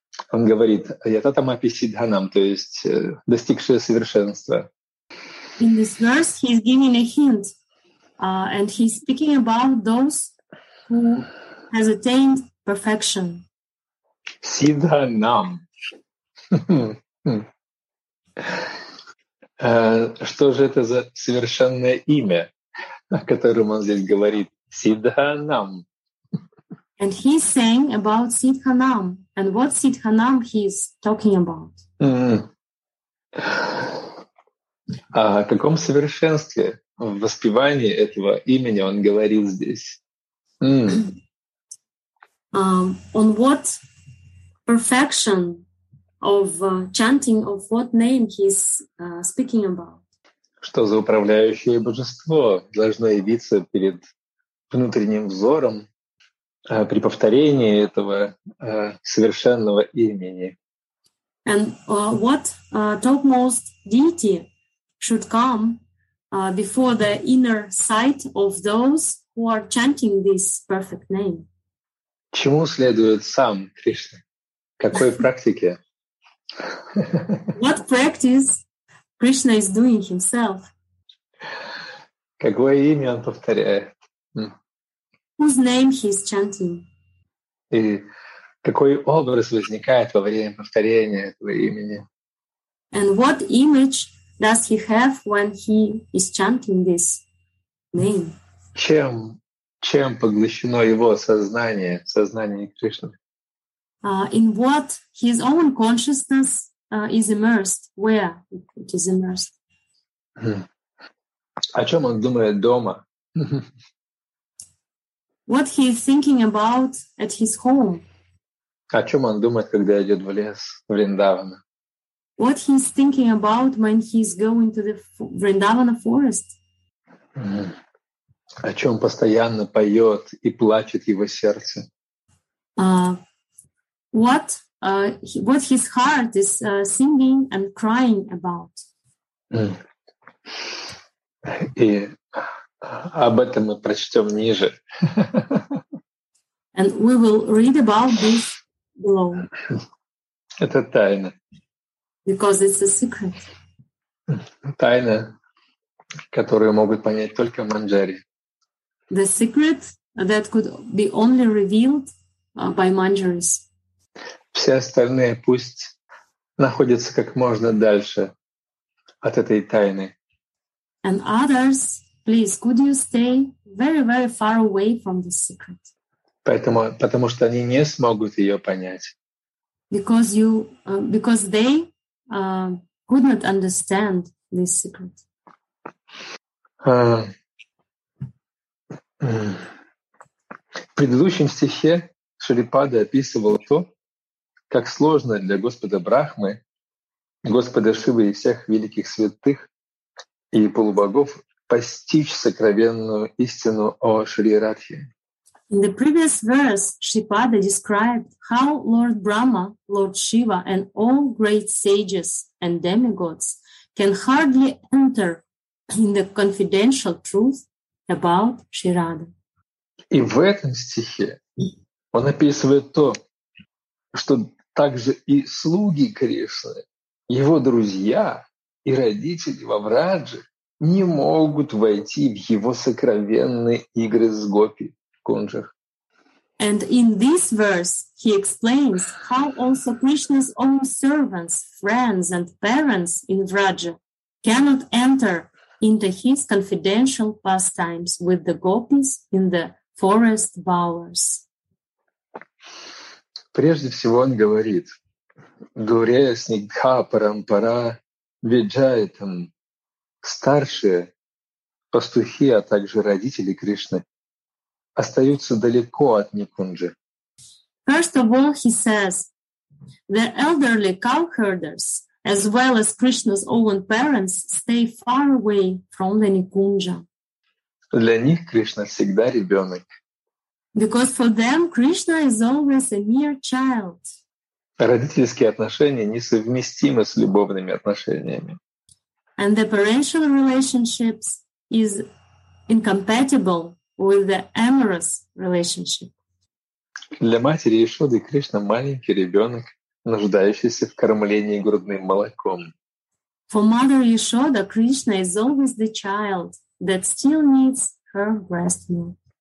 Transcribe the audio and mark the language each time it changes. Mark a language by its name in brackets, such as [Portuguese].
[Russian] Он говорит, [Sanskrit] ятатам апи сиддханам, [Russian] то есть достигшее совершенство. [English] In this verse he is giving a hint. And he's speaking about those who has attained perfection. [Sanskrit] Siddha nam. [Russian] Что же это за совершенное имя, о котором он здесь говорит? [Sanskrit] Siddha nam. [English] And he's saying about Siddha nam. And what Siddha nam he's talking about? [Russian] О каком совершенстве? В воспевании этого имени он говорил здесь. [English] On what perfection of chanting of what name he's speaking about? [Russian] Что за управляющее божество должно явиться перед внутренним взором при повторении этого совершенного имени? [English] And what topmost deity should come before the inner sight of those who are chanting this perfect name. [Russian] Чему следует сам Кришна? Какой практике? [English] What practice Krishna is doing himself? [Russian] Какое имя он повторяет? [English] Whose name he is chanting? [Russian] И какой образ возникает во время повторения этого имени? [English] And what image does he have when he is chanting this name? [Russian] Чем поглощено его сознание, сознание Кришны? [English] In what his own consciousness is immersed? Where it is immersed? [Russian] О чем он думает дома? [English] What he is thinking about at his home? [Russian] О чем он думает, когда идет в лес, в Вриндаван? [English] What he's thinking about when he's going to the Vrindavana forest? [Russian] О чем постоянно поет и плачет его сердце? [English] What his heart is singing and crying about? [Russian] И об этом мы прочтем ниже. [English] And we will read about this below. [Russian] Это тайна. [English] Because it's a secret. [Russian] Тайна, которую могут понять только манджари. [English] The secret that could be only revealed by manjaris. [Russian] Все остальные пусть находятся как можно дальше от этой тайны. [English] And others, please, could you stay very, very far away from the secret? [Russian] Потому что они не смогут ее понять. [English] Because they could not understand this secret. [Russian] В предыдущем стихе Шрипада описывал то, как сложно для Господа Брахмы, Господа Шивы и всех великих святых и полубогов постичь сокровенную истину о Шри Радхе. [English] In the previous verse, Шрипада described how Lord Brahma, Lord Shiva, and all great sages and demigods can hardly enter in the confidential truth about Shri Radha. [Russian] И в этом стихе Он описывает то, что также и слуги Кришны, его друзья и родители во Врадже не могут войти в его сокровенные игры с гопи в кунджах. [English] And in this verse, he explains how also Krishna's own servants, friends, and parents in Vraja cannot enter into his confidential pastimes with the gopis in the forest bowers. [Russian] Прежде всего, он говорит, [Sanskrit] Гурея Снигдха Парампара Виджайтам, [Russian] старшие пастухи, а также родители Кришны, остаются далеко от Никунджи. [English] First of all, he says, the elderly cowherders, as well as Krishna's own parents, stay far away from the Никунджа. [Russian] Для них Кришна всегда ребенок. [English] Because for them Krishna is always a mere child. [Russian] Родительские отношения несовместимы с любовными отношениями. [English] And the parental relationships is incompatible with the amorous relationship. [Russian] Для матери Яшоды Кришна маленький ребенок, нуждающийся в кормлении грудным молоком. [English] For mother Yashoda, Krishna is always the child that still needs her breast milk.